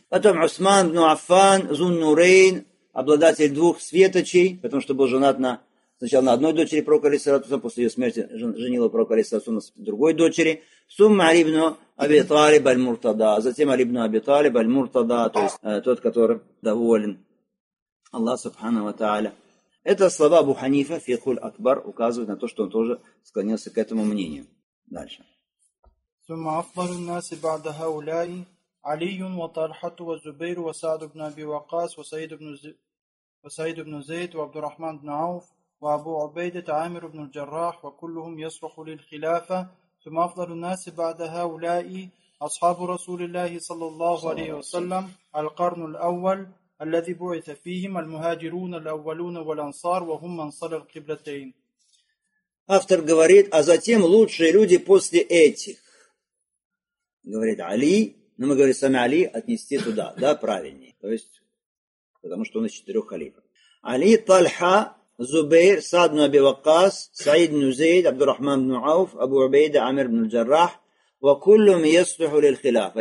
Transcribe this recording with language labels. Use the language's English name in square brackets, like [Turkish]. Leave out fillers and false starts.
[Russian] Потом Усман ибн Аффан, Зун-Нурейн, обладатель двух светочей, потому что был женат на, сначала на одной дочери пророка [Arabic] алейхи салату вассалям, [Russian] после ее смерти женил пророка алейхи салату вассалям на другой дочери. Сумма Али ибн Аби Талиб аль-Муртада, затем Али ибн Аби Талиб аль-Муртада, то есть тот, который доволен. Аллах Субхана ва Та'аля. Это слова Абу Ханифа, Фикхуль Акбар, указывают на то, что он тоже склонился к этому мнению. Дальше. [Arabic] ثم أفضل الناس بعد هؤلاء علي وطلحة والزبير وسعد بن أبي وقاص وسعيد بن زيد وعبد الرحمن بن عوف وأبو عبيدة عامر بن الجراح وكلهم يصرخ للخلافة ثم أفضل الناس بعد هؤلاء أصحاب رسول الله صلى الله عليه وسلم القرن الأول الذي بعث فيهم المهاجرون الأولون والأنصار وهم منصر القبلتين. [Russian] Автор говорит, а затем лучшие люди после этих. Говорит Али, но мы говорим сами Али, отнести туда, да, правильнее. То есть, потому что он из четырех халифов. Али, Тальха, Зубейр, Саад ибн Аби Ваккас, Саид ибн Зейд, Абдур-Рахман ибн Ауф, Абу Убейда, Амир ибн Джаррах, [Arabic] ва куллум йасбиху лил-хилафа.